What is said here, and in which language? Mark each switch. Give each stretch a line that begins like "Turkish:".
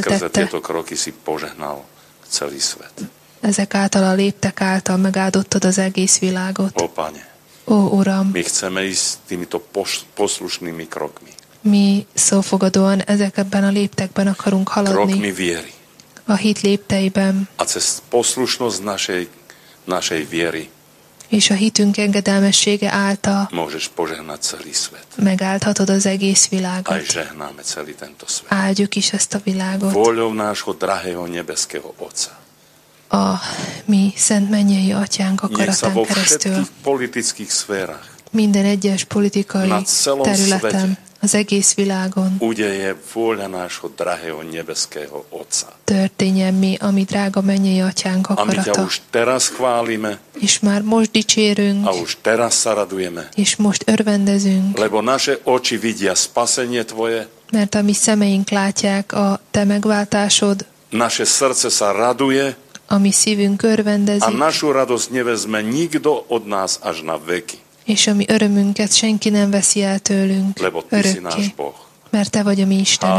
Slovak: skrze tieto kroky si požehnal celý svet.
Hungarian: Ezek által a léptek által megáldottad az egész világot.
Slovak: Ó, Pane.
Hungarian: Ó, Uram.
Slovak: My chceme ísť týmito poslušnými krokmi.
Hungarian: Mi szófogadóan ezekben a léptekben akarunk haladni.
Slovak: Krokmi viery.
Hungarian: A hit lépteiben.
Slovak: A cez poslušnosť našej viery.
Hungarian: És a hitünk engedelmessége által
Slovak: môžeš požehnať celý svet.
Hungarian: Megáldhatod az egész világot.
Slovak: Aj žehnáme celý tento svet.
Hungarian: Áldjuk is ezt a világot.
Slovak: Voľou nášho drahého nebeského Otca.
Hungarian: A mi szent mennyei atyánk akaratán keresztül.
Slovak: Nech sa vo všetkých politických sférach.
Hungarian: Minden egyes politikai területen. Az egész világon.
Slovak: Udeje vôľa nášho drahého nebeského Otca.
Hungarian: Történjen mi, ami drága mennyei atyánk akarata.
Slovak: A my ťa už teraz chválime.
Hungarian: És már most dicsérünk.
Slovak: A už teraz sa radujeme.
Hungarian: És most örvendezünk.
Slovak: Lebo naše oči vidia spasenie tvoje.
Hungarian: Mert a mi szemeink látják a te megváltásod.
Slovak: Naše srdce sa raduje.
Hungarian: A mi szívünk örvendezik.
Slovak: A našu radosť nevezme nikto od nás až na veky.
Hungarian: És a mi örömünket senki nem veszi el tőlünk.
Slovak: Lebo ty
Hungarian: örökké,
Slovak: si náš Boh.
Hungarian: Mert te vagy a mi Istenünk.